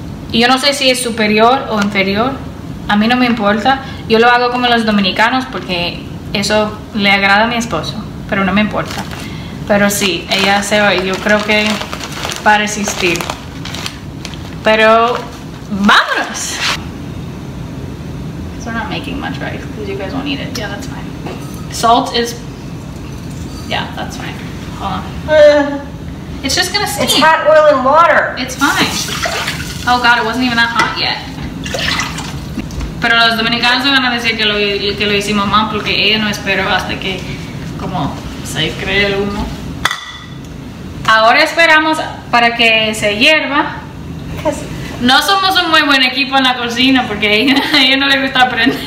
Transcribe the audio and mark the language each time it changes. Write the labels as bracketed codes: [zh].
[es] Y yo no sé si es superior o inferior, a mí no me importa. Yo lo hago como los dominicanos porque eso le agrada a mi esposo, pero no me importa. Pero sí, ella se va, yo creo que va a resistir. Pero ¡vámonos! [en] Because we're not making much rice, because you guys won't eat it. Yeah, that's fine. Salt is... Yeah, that's fine. Hold on. It's just gonna steam. It's hot oil and water. It's fine. Oh God, it wasn't even that hot yet. [es] Pero los dominicanos van a decir que lo hicimos mal porque ella no esperó hasta que como se cree el humo. Ahora esperamos para que se hierva. No somos un muy buen equipo en la cocina porque a ella no le gusta aprender.